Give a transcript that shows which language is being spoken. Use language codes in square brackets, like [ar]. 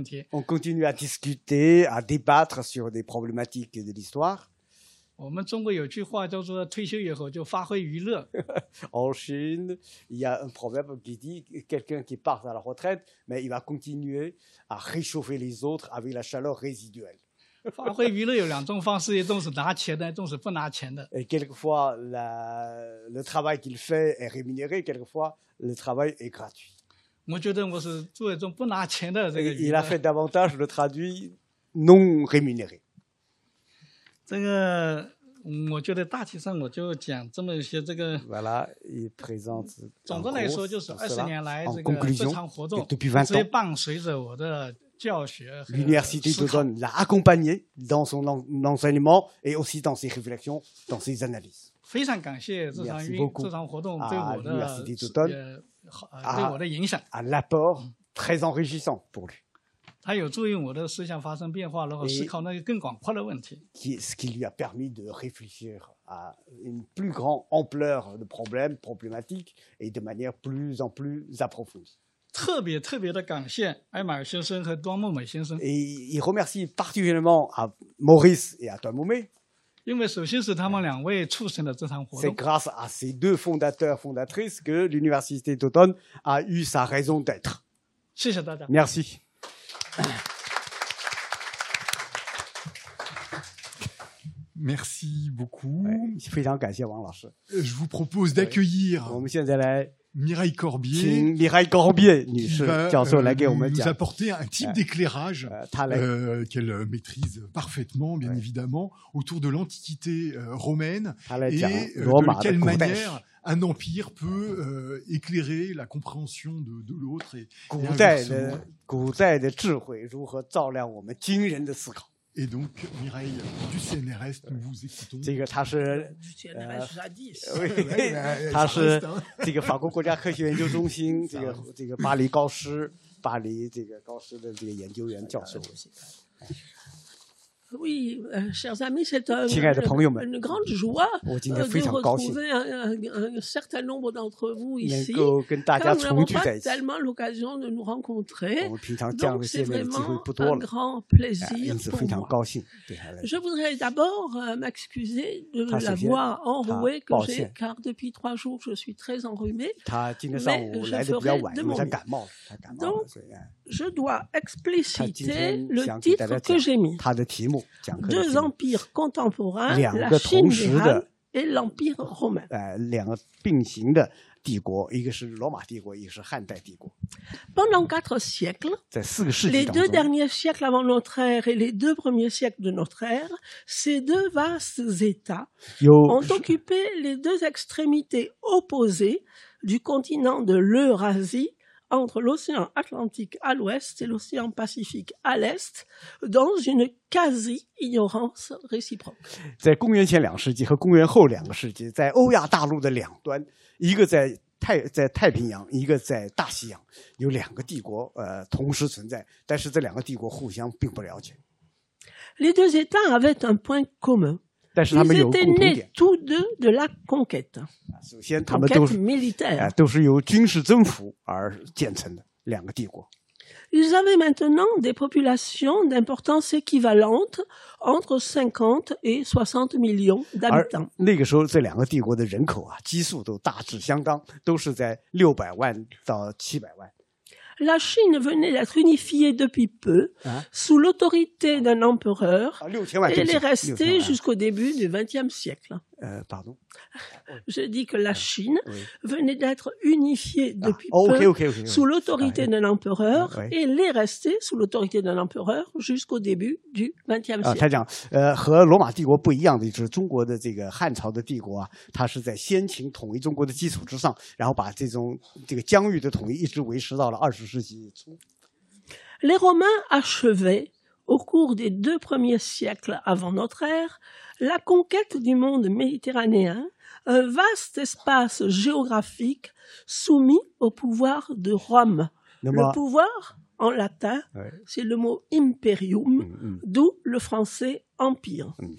[fr] On continue à discuter, à débattre sur des problématiques de l'histoire. [zh] 我们中国有句话叫做退休以后就发挥娱乐。 [fr] En Chine, il y a un proverbe qui dit quelqu'un qui part à la retraite, mais il va continuer à réchauffer les autres avec la chaleur résiduelle. [zh] 发挥娱乐有两种方式，一种是拿钱的，一种是不拿钱的。 [fr] Et quelquefois, le travail qu'il fait est rémunéré, quelquefois, le travail est gratuit. [zh] 我觉得我是做一种不拿钱的这个娱乐。 [fr] Il a fait davantage le travail non rémunéré. [zh] 这个我觉得大体上我就讲这么一些这个。 [fr] Voilà, il présente. [zh] 总的来说就是二十年来这个这场活动一直伴随着我的教学和思考。 [fr] L'université d'Autun l'a accompagné dans son enseignement et aussi dans ses réflexions, dans ses analyses. [zh] 非常感谢这场活动对我的影响。 [fr] À l'apport très enrichissant pour lui. [zh] 它有助于我的思想发生变化，然后思考那个更广阔的问题。 [fr] ce qui lui a permis de réfléchir à une plus grande ampleur de problèmes, problématiques, et de manière plus en plus approfondie. [zh] 特别特别的感谢艾玛尔先生和端木美先生。 [fr] Et il remercie particulièrement à Maurice et à Tuan Moumei. [zh] 因为首先是他们两位促成了这场活动。 [fr] C'est grâce à ces deux fondateurs, fondatrices que l'Université d'Automne a eu sa raison d'être. [zh] 谢谢大家。 [fr] Merci. Merci beaucoup. Je vous remercie, Wang 老师. Je vous propose d'accueillir. [zh] 我们现在来 [fr] Mireille Corbier. [zh] 请 Mireille Corbier 女士教授来给我们讲。 [fr] Nous apporter un type d'éclairage qu'elle maîtrise parfaitement, bien évidemment, autour de l'antiquité romaine et de quelle manière un empire peut éclairer la compréhension de l'autre et [zh] 古代的智慧如何照亮我们今人的思考。 [fr] Et donc, Mireille du CNRS, nous vous écoutons. [zh] 这个他是 [fr] CNRS [zh] 他是这个法国国家科学研究中心这个巴黎高师巴黎这个高师的这个研究员教授。 [fr] Oui, chers amis, c'est un, [zh] 亲爱的朋友们， [fr] une grande joie, [zh] 我今天非常高兴 [fr] de retrouver un certain nombre d'entre vous ici, [zh] 能够跟大家重聚在一起。 [fr] Pas tellement l'occasion de nous rencontrer, [zh] 我们平常这样的见面的机会不多了。 [fr] Donc c'est vraiment un grand plaisir pour moi. [zh] 因此非常高兴。 [fr] Je voudrais d'abord m'excuser de la voix enrouée que j'ai, car depuis trois jours je suis très enrhumée. [zh] 他今天上午来的比较晚，因为他感冒，他感冒了，所以。 [fr] Je dois expliciter le titre que j'ai mis. [zh] 他的题目讲课。 [fr] Deux empires contemporains, la Chine réelle et l'Empire romain. [zh] 两个并行的帝国，一个是罗马帝国，一个是汉代帝国。 [fr] Pendant quatre siècles, [zh] 在四个世纪 [fr] les deux derniers siècles avant notre ère et les deux premiers siècles de notre ère, ces deux vastes États ont occupé les deux extrémités opposées du continent de l'Eurasie. Entre l'océan Atlantique à l'ouest et l'océan Pacifique à l'est, dans une quasi-ignorance réciproque. [zh] 在公元前两世纪和公元后两个世纪，在欧亚大陆的两端，一个在太平洋，一个在大西洋，有两个帝国同时存在，但是这两个帝国互相并不了解。 [fr] Les deux États avaient un point commun. [zh] 但是他们有共同点。 [fr] Tous deux de la conquête. [zh] 首先，他们都是 [fr] militaire, [zh] 都是由军事征服而建成的两个帝国。 [fr] Ils avaient maintenant des populations d'importance équivalente entre 50 et 60 millions d'habitants. [zh] 那个时候，这两个帝国的人口啊，基数都大致相当，都是在600万到700万。 [fr] La Chine venait d'être unifiée depuis peu, sous l'autorité d'un empereur, et elle est restée jusqu'au début du XXe siècle. Pardon. Je dis que la Chine venait d'être unifiée depuis peu, sous l'autorité d'un empereur, et elle est restée sous l'autorité d'un empereur jusqu'au début du XXe siècle. [zh] 他讲，和罗马帝国不一样的，就是中国的这个汉朝的帝国啊，它是在先秦统一中国的基础之上，然后把这个疆域的统一一直维持到了20世纪初。 [fr] Les Romains achevaient au cours des deux premiers siècles avant notre ère. La conquête du monde méditerranéen, un vaste espace géographique soumis au pouvoir de Rome. Le pouvoir, en latin, c'est le mot imperium, d'où le français empire.